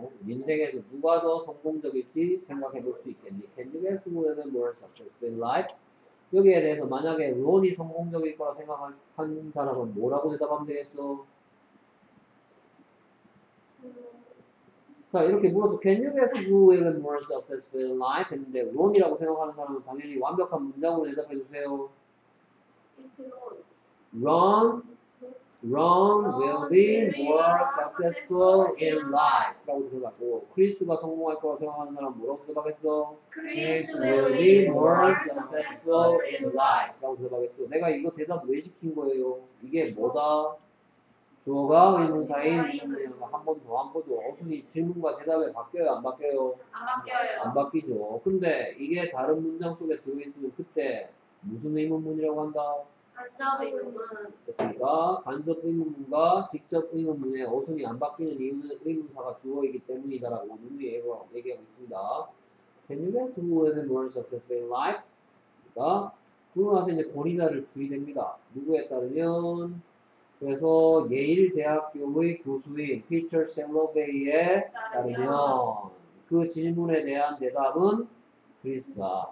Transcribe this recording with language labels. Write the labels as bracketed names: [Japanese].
[Korean] 인생에서 누가 더 성공적일지 생각해 볼 수 있겠니? [English] Can you guess who is more successful in life? [Korean] 여기에 대해서 만약에 론이 성공적일 거라 생각한 사람은 뭐라고 대답하면 되겠어? 자, 이렇게 물어서 [English] Can you guess who is more successful in life? [Korean] 했는데 론이라고 생각하는 사람은 당연히 완벽한 문장으로 대답해 주세요. [English] It's Ron. Ron will be more successful in life. [Korean] 라고 대답하고, 크리스가 성공할 거라고 생각하는 사람은 뭐라고 대답하겠어? [English] Chris will be more successful in life. [Korean] 라고 대답하겠죠. 내가 이거 대답 왜 시킨 거예요? 이게 뭐다? 주어가 의문사인? 한 번 더 한 거죠. 어순이 질문과 대답에 바뀌어요? 안 바뀌어요? 안 바뀌어요. 안 바뀌죠. 근데 이게 다른 문장 속에 들어있으면 그때 무슨 의문문이라고 한다? 간접 의문문. 그러니까 간접 의문문과 직접 의문문의 어순이 안 바뀌는 이유는 의문사가 주어이기 때문이다라고 우리 얘기하고 있습니다. [English] Can you guess who is more successful in life? [Korean] 그러니까 그러고 나서 이제 권위자를 들이댑니다. 누구에 따르면 그래서 예일 대학교의 교수인 피터 셀러베이에 따르면 그 질문에 대한 대답은 크리스다.